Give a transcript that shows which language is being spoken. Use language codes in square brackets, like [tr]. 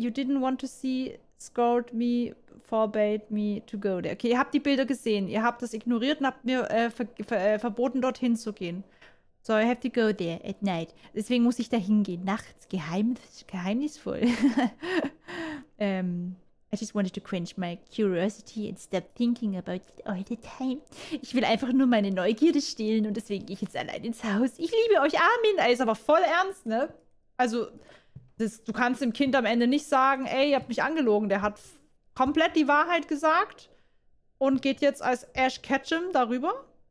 [en] You didn't want to see, scold me, forbade me to go there. [de] Okay, ihr habt die Bilder gesehen. Ihr habt das ignoriert und habt mir verboten, dorthin zu gehen. [en] So, I have to go there at night. [de] Deswegen muss ich da hingehen. Nachts. [en] Geheimnisvoll. I just wanted to quench my curiosity and stop thinking about it all the time. [de] Ich will einfach nur meine Neugierde stillen und deswegen gehe ich jetzt allein ins Haus. Ich liebe euch. Armin. Ey, ist aber voll ernst, ne? Also, du kannst dem Kind am Ende nicht sagen, ey, ihr habt mich angelogen. Der hat komplett die Wahrheit gesagt und geht jetzt als Ash Ketchum darüber.